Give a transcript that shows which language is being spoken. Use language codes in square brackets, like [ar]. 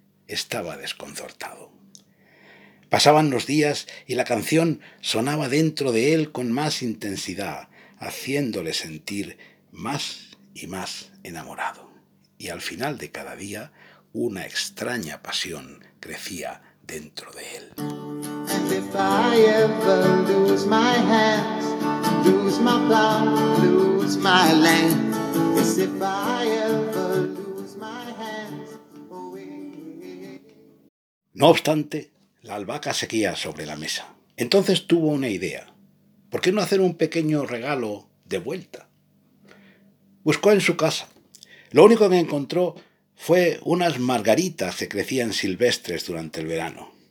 [es] Estaba desconcertado. Pasaban los días y la canción sonaba dentro de él con más intensidad, haciéndole sentir más y más enamorado. Y al final de cada día, una extraña pasión crecía dentro de él. [en] And if I ever lose my hands, lose my plow, lose my land, yes, if I ever lose my hands, away. [es] No obstante, la albahaca seguía sobre la mesa. Entonces tuvo una idea. ¿Por qué no hacer un pequeño regalo de vuelta? Buscó en su casa. Lo único que encontró fue unas margaritas que crecían silvestres durante el verano.